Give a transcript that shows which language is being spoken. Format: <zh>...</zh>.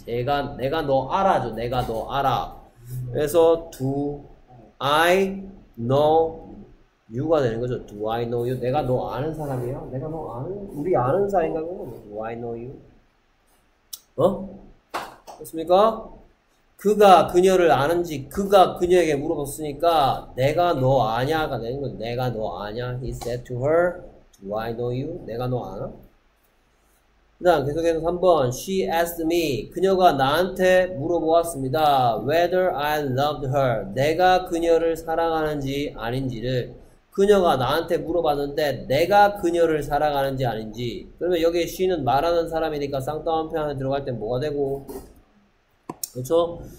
<ko>내가 너 알아죠. 내가 너 알아. 그래서 do I know you가 되는 거죠.</ko> <en>Do I know you?</en> <ko>내가 너 아는 사람이야? 내가 너 아는, 우리 아는 사이인가?</ko> <en>Do I know you?</en> <ko>어? 그렇습니까? 그가 그녀를 아는지, 그가 그녀에게 물어봤으니까, 내가 너 아냐가 되는 거죠. 내가 너 아냐?</ko> <en>He said to her, Do I know you?</en> <ko>내가 너 아나? 그다음 계속해서 3번.</ko> <en>She asked me.</en> <ko>그녀가 나한테 물어보았습니다.</ko> <en>Whether I loved her.</en> <ko>내가 그녀를 사랑하는지 아닌지를. 그녀가 나한테 물어봤는데 내가 그녀를 사랑하는지 아닌지 그러면 여기에 she는 말하는 사람이니까 쌍따옴표 안에 들어갈 땐 뭐가 되고 그렇죠?</ko>